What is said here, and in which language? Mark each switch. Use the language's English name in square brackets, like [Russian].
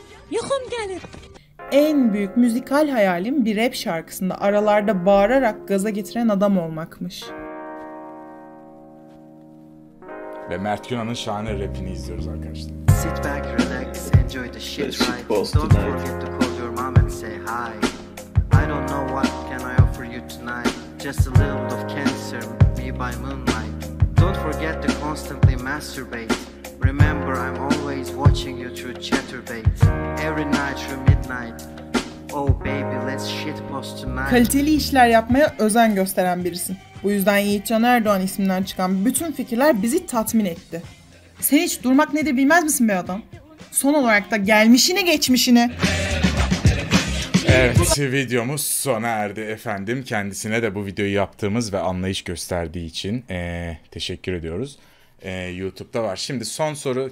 [Turkish] Yuhum gelir. En büyük müzikal hayalim bir rap şarkısında aralarda bağırarak gaza getiren adam olmakmış. Ve Mert Günhan'ın şahane rapini izliyoruz arkadaşlar. [English] Sit back, relax, enjoy the shit right. Don't forget to call your mom and say hi. I don't know what can I offer you tonight. Just a little of cancer, be by moonlight. Don't forget to constantly masturbate. Remember, I'm always watching you through chatterbait. Every night through midnight. Oh baby, let's shit post tonight. [Turkish] Kaliteli işler yapmaya özen gösteren birisin. Bu yüzden Yiğitcan Erdoğan isminden çıkan bütün fikirler bizi tatmin etti. Sen hiç durmak nedir bilmez misin be adam? Son olarak da gelmişini geçmişini. Evet, videomuz sona erdi efendim. Kendisine de bu videoyu yaptığımız ve anlayış gösterdiği için teşekkür ediyoruz. YouTube'da var. Şimdi son soru.